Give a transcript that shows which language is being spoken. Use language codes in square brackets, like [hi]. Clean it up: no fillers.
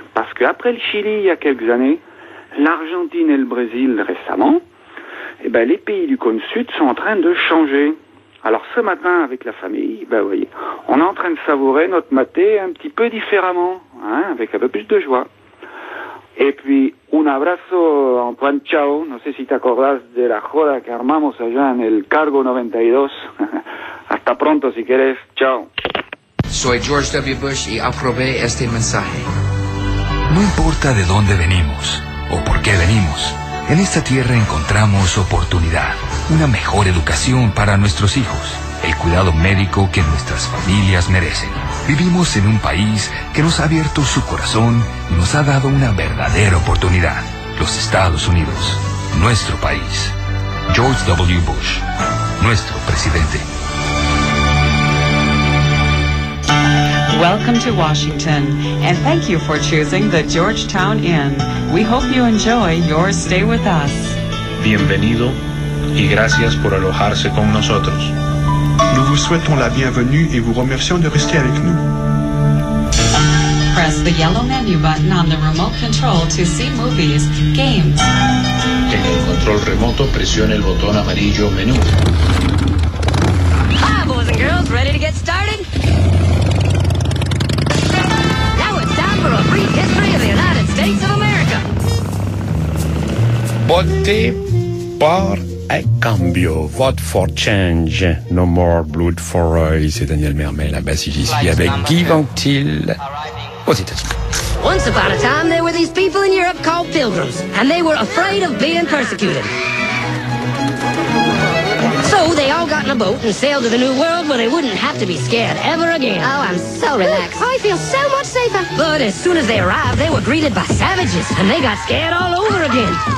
[fr] Parce qu'après le Chili, il y a quelques années, l'Argentine et le Brésil, récemment, eh ben, les pays du cône sud sont en train de changer. Alors, ce matin, avec la famille, ben, vous voyez, on est en train de savourer notre maté un petit peu différemment, hein, avec un peu plus de joie. Et puis, un abrazo, Antoine, ciao. [es] No sé si te acordás de la joda que armamos allá en el cargo 92. Hasta pronto, si quieres. Ciao. Soy George W. Bush y aprobé este mensaje. No importa de dónde venimos o por qué venimos, en esta tierra encontramos oportunidad, una mejor educación para nuestros hijos, el cuidado médico que nuestras familias merecen. Vivimos en un país que nos ha abierto su corazón y nos ha dado una verdadera oportunidad. Los Estados Unidos, nuestro país. George W. Bush, nuestro presidente. [en] Welcome to Washington, and thank you for choosing the Georgetown Inn. We hope you enjoy your stay with us. [es] Bienvenido, y gracias por alojarse con nosotros. [fr] Nous vous souhaitons la bienvenue et vous remercions de rester avec nous. [en] Press the yellow menu button on the remote control to see movies, games. [es] En el control remoto, presione el botón amarillo menú. [en] Ah, boys and girls, ready to get started? For a brief history of the United States of America. [es] Voté par et cambio. [en] Vote for change. No more blood for Roy. [fr] C'est Daniel Mermet, la basse ici, avec Guy Ventil. Aux États-Unis. [en] Once upon a time, there were these people in Europe called pilgrims, and they were afraid of being persecuted. So they all got in a boat and sailed to the New World where they wouldn't have to be scared ever again. Oh, I'm so relaxed. Ooh, I feel so much safer. But as soon as they arrived, they were greeted by savages, and they got scared all over again.